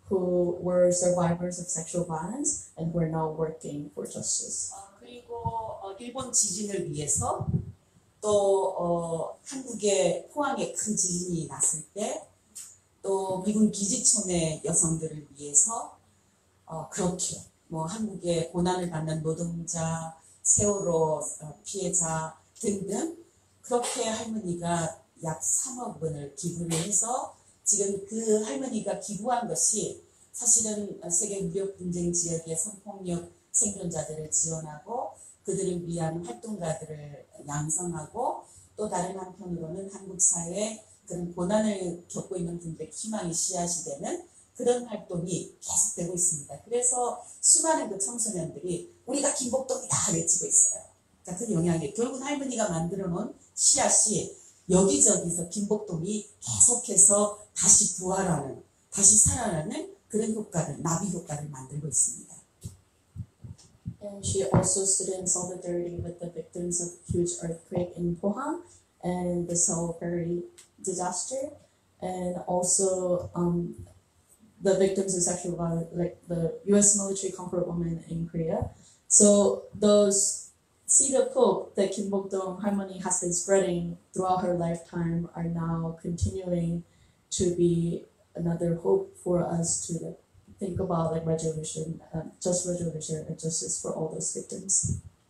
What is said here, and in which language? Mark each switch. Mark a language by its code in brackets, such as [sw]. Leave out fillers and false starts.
[en] who were survivors of sexual violence and who are now working for justice. [ko] 그리고 일본 지진을 위해서 또 한국의 포항에 큰 지진이 났을 때 또 미군 기지촌의 여성들을 위해서 그렇게 뭐 한국의 고난을 받는 노동자, 세월호 피해자 등등 그렇게 할머니가 약 3억 원을 기부를 해서 지금 그 할머니가 기부한 것이 사실은 세계 무력 분쟁 지역의 성폭력 생존자들을 지원하고 그들을 위한 활동가들을 양성하고 또 다른 한편으로는 한국 사회에 그런 고난을 겪고 있는 분들의 희망이 씨앗이 되는 그런 활동이 계속되고 있습니다. 그래서 수많은 그 청소년들이 우리가 김복동이다 외치고 있어요. 같은 영향이 결국 할머니가 만들어 놓은 씨앗이 여기저기서 김복동이 계속해서 다시 부활하는, 다시 살아나는 그런 효과를, 나비 효과를 만들고 있습니다. [en] And she also stood in solidarity with the victims of huge earthquake in Pohang and the Solberry disaster, and also the victims of sexual violence, like the U.S. military comfort women in Korea. So those seed of hope that Kim Bok Dong harmony has been spreading throughout her lifetime are now continuing to be another hope for us to think about like resolution, just resolution and justice for all those victims.